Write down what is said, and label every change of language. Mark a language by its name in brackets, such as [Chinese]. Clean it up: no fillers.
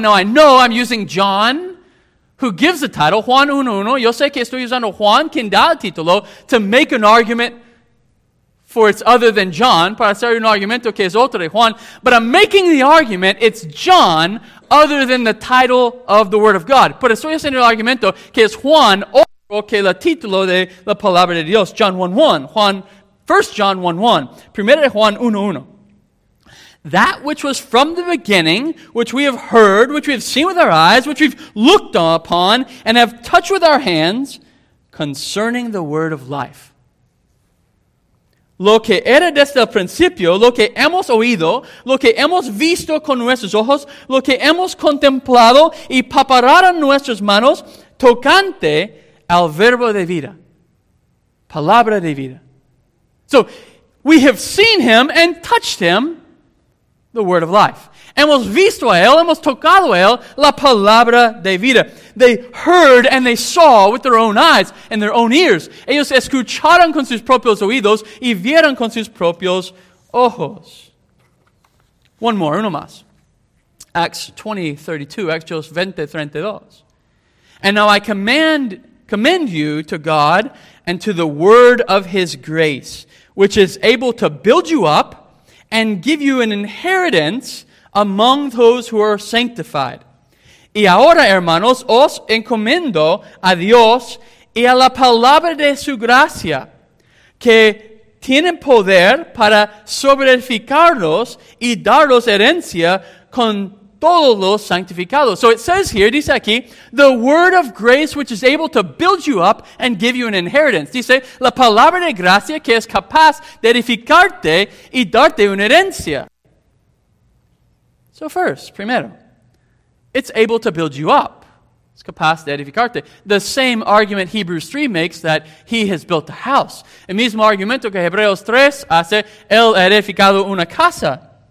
[English] Now I know I'm using John, who gives the title, Juan 1:1. [Spanish] Yo sé que estoy usando Juan, quien da el título, [English] to make an argument for it's other than John, [Spanish] para hacer un argumento que es otro de Juan. [English] But I'm making the argument it's John other than the title of the Word of God. [Spanish] Pero estoy haciendo el argumento que es Juan otro que el título de la palabra de Dios. John 1:1. Juan, 1 John 1:1. Primero de Juan 1:1. [English] That which was from the beginning, which we have heard, which we have seen with our eyes, which we've looked upon, and have touched with our hands, concerning the word of life. [Spanish] Lo que era desde el principio, lo que hemos oído, lo que hemos visto con nuestros ojos, lo que hemos contemplado y palparon nuestras manos, tocante al verbo de vida. Palabra de vida. [English] So, we have seen him and touched him, the word of life. [Spanish] Hemos visto a él, hemos tocado a él, la palabra de vida. [English] They heard and they saw with their own eyes and their own ears. [Spanish] Ellos escucharon con sus propios oídos y vieron con sus propios ojos. [English] One more, [Spanish] uno más. [English] Acts 20:32. And now I commend you to God and to the word of his grace, which is able to build you up and give you an inheritance among those who are sanctified. [Spanish] Y ahora, hermanos, os encomiendo a Dios y a la palabra de su gracia, que tienen poder para sobreedificarlos y daros herencia con todos los santificados. [English] So it says here, [Spanish] dice aquí, [English] the word of grace which is able to build you up and give you an inheritance. [Spanish] Dice, la palabra de gracia que es capaz de edificarte y darte una herencia. [English] So first, primero, it's able to build you up. It's [Spanish] capaz de edificarte. [English] The same argument Hebrews 3 makes that he has built a house. [Spanish] El mismo argumento que Hebreos 3 hace, él ha edificado una casa.